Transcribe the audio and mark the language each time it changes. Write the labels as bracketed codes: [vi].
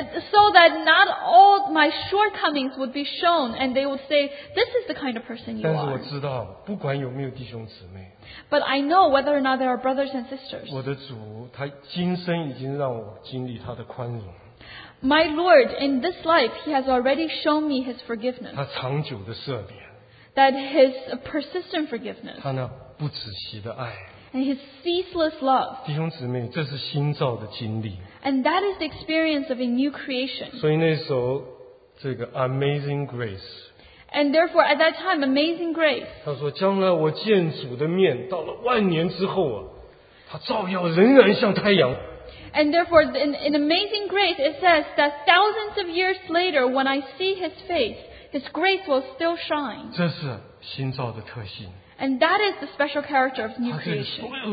[en] So that not all my shortcomings would be shown, and they would say, this is the kind of person you are. [zh] 但是我知道，不管有没有弟兄姊妹。 [en] But I know whether or not there are brothers and sisters. [zh] 我的主，他今生已经让我经历他的宽容。 [en] My Lord, in this life, He has already shown me His forgiveness. [zh] 他长久的赦免, [en] that His persistent forgiveness. [zh] 他那不止息的爱, [en] and His ceaseless love. [zh] 弟兄姊妹, 这是新造的经历, [en] and that is the experience of a new creation. [zh] 所以那首这个 Amazing Grace, [en] and therefore, at that time, Amazing Grace. [zh] 他说将来我见主的面到了万年之后啊, 他照耀仍然像太阳。 [en] And therefore, in Amazing Grace, it says that thousands of years later, when I see His face, His grace will still shine. [zh] 这是新造的特性。 [en] And that is the special character of new creation.